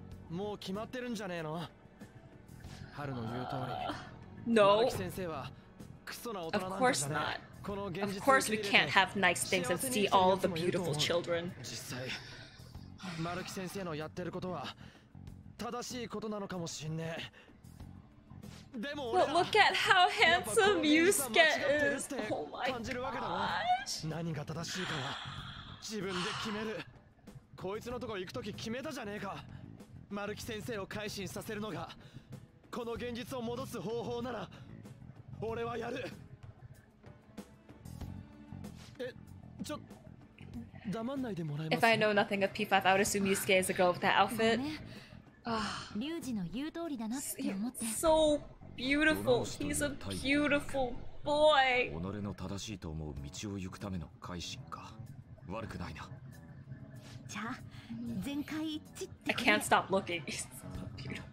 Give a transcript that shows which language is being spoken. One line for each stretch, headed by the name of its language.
Japanese: もう決まってるんじゃねえの春の言う通り。
English: No.
Japanese: 先生はクソな大人なんじゃない。この現実。
English: Of course we can't have nice things and see all the beautiful children.
Japanese: 実際、マルキ先生のやってることは正しいことなのかもしんねえ。でも、
English: But look at how handsome Yusuke is. Oh my gosh.
Japanese: 何が正しいかは自分で決める。こいつのとこ行くとき決めたじゃねえか。マルキ先生を改心させるのがこの現実を戻す方法なら俺はやる。え、ちょ、黙んないでもらえます。
English: If I know nothing of P5, I would assume Yusuke is a girl with that outfit.
Japanese: リュウジの言う通りだなって思って。
English: So beautiful. He's a beautiful boy.
Japanese: 己の正しいと思う道を行くための改心か。悪くないな。じゃあ。全開一致って。
English: I can't stop looking. It's so beautiful.